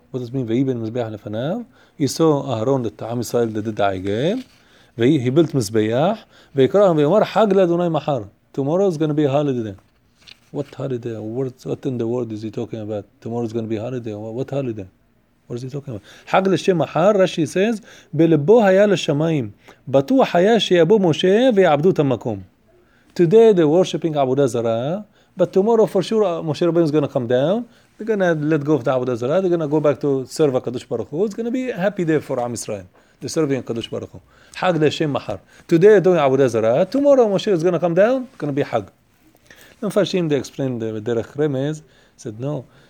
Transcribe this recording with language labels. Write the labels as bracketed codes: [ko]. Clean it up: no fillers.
[en] What does it mean, v'yibin mizbeyach lefanav? He saw Aharon that Am Yisrael did the Igel, he built Mizbeyah, [he] ויקרא ויאמר חג לאדוני מחר. [en] Tomorrow is going to be a holiday. What holiday? What in the world is he talking about? Tomorrow is going to be a holiday. What holiday? What is he talking about? [he] חג לשם מחר, Rashi says, בלבו היה לשמיים, בטוח היה שיבוא משה ויעבדו את המקום. [en] Today they're worshipping עבודה זרה, but tomorrow for sure Moshe Rabbeinu is going to come down. They're going to let go of the עבודה זרה. They're going to go back to serve הקדוש ברוך הוא. It's going to be a happy day for Am Yisrael. They're serving Kadosh Baruch Hu. [he] Hag l'shem mahar. [en] Today they're doing Abu Dazara. Tomorrow Moshe is going to come down. It's going to be Hag. Then Farshim, they explained the Derech Remez. Said, no.